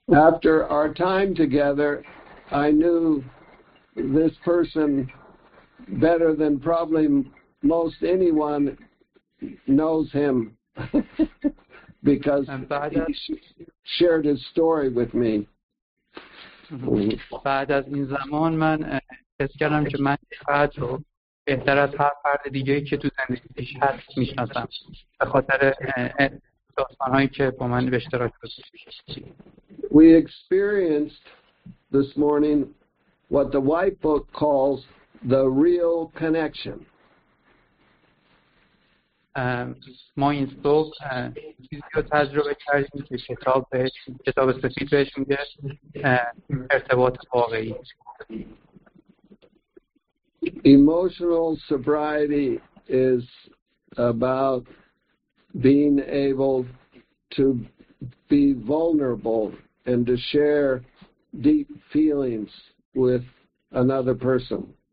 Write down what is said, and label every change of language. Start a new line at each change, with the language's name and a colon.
English: After our time together, I knew this person better than probably most anyone knows him because he shared his story with me.
Persian: بعد از این زمان من حس کردم که من فرد رو بهتر از هر فرد دیگه‌ای که تو زندگیش هست می‌شناسم به خاطر داستان‌هایی که با من به اشتراک گذاشت.
English: We experienced this morning what the white book calls the real connection.
Persian: ما این صبح چیزی رو تجربه کردیم که کتاب سفید بهش میگه ارتباط واقعی.
English: Emotional sobriety is about being able to be vulnerable and to share deep feelings with another person.